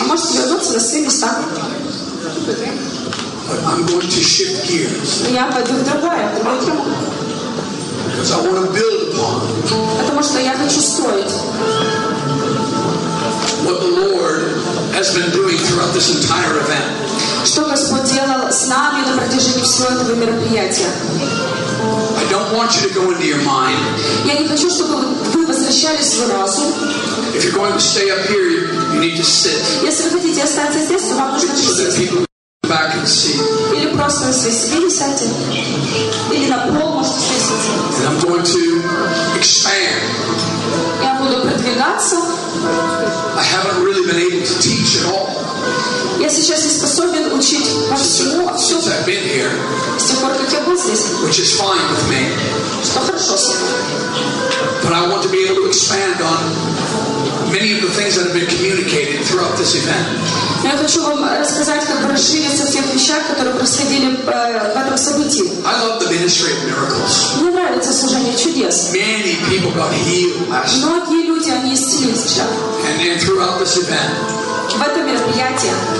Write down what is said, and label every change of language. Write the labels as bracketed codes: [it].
[ru] А можете вернуться на свои места. [en] But I'm going to shift gears. [ru] Я пойду в другое. [en] Because I want to build upon. [ru] Потому что я хочу строить. [en] What the Lord has been doing throughout this entire event. [ru] Что Господь делал с нами на протяжении всего этого мероприятия. [en] I don't want you to go into your mind. [ru] Я не хочу, чтобы вы возвращались в свой разум. [en] If you're going to stay up here, you need to sit. [ru] Если вы хотите остаться здесь, то вам нужно сидеть. [en] So that people can back and see. [ru] Или просто на своей спине сядьте. Или на пол можете сесть. [en] And I'm going to expand. [ru] Я буду продвигаться. [en] I haven't really been able to teach at all. [ru] Я сейчас не способен учить по всему, а все. [en] Since I've been here. [ru] С тех пор, как я был здесь. [en] Which is fine with me. [ru] Что хорошо с этим. [en] But I want to be able to expand on many of the things that have been communicated throughout this event. [ru] Я хочу вам рассказать, как расшириться в тех вещах, которые происходили в этом событии. [en] I love the ministry of miracles. [ru] Мне нравится служение чудес. [en] Many people got healed last night. [ru] Многие люди, они исцелились вчера. [en] And then throughout this event. [ru] В этом мероприятии.